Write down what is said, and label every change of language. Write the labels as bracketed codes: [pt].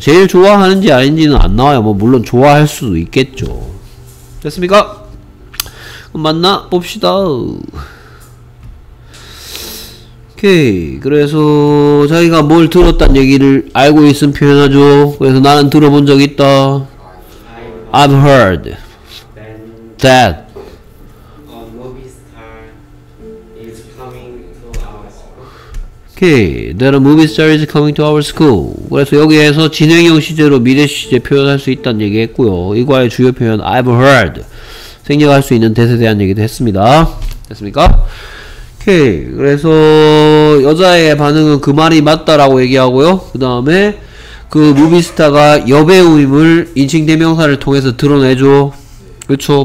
[ko] 제일 좋아하는지 아닌지는 안 나와요. 뭐 물론 좋아할 수도 있겠죠. 됐습니까? 만나 봅시다. 오케이. 그래서 자기가 뭘 들었단 얘기를 알고 있음 표현하죠. 그래서 나는 들어본 적 있다. [en] I've heard that a movie star is coming to our school. Okay, that a movie star is coming to our school. [ko] 그래서 여기에서 진행형 시제로 미래 시제 표현할 수 있다는 얘기 했고요. 이과의 주요 표현 [en] I've heard [ko] 생략할 수 있는 대세에 대한 얘기도 했습니다. 됐습니까? Okay, 그래서 여자의 반응은 그 말이 맞다라고 얘기하고요. 그 다음에 그 무비스타가 여배우임을 인칭대명사를 통해서 드러내줘. 그쵸?